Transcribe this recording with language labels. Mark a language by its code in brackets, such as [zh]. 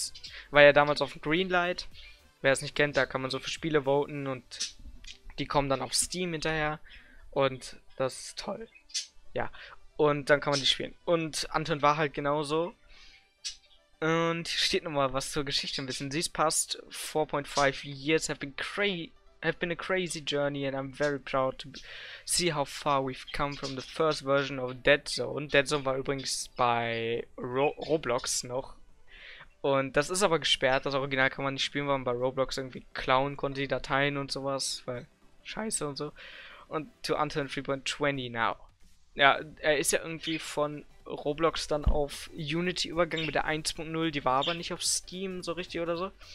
[de] Es war ja damals auf Greenlight. Wer es nicht kennt, da kann man so für Spiele voten und die kommen dann auf Steam hinterher. Und das ist toll. Ja, und dann kann man die spielen. Und Anton war halt genauso. Und hier steht nochmal was zur Geschichte ein bisschen. [en] These past 4.5 years have been a crazy journey and I'm very proud to see how far we've come from the first version of Dead Zone. [de] Dead Zone war übrigens bei Roblox noch. Und das ist aber gesperrt, das Original kann man nicht spielen, weil man bei Roblox irgendwie klauen konnte, die Dateien und sowas, weil scheiße und so. Und to Anton 3.20 now. Ja, er ist ja irgendwie von Roblox dann auf Unity übergegangen mit der 1.0, die war aber nicht auf Steam so richtig oder so.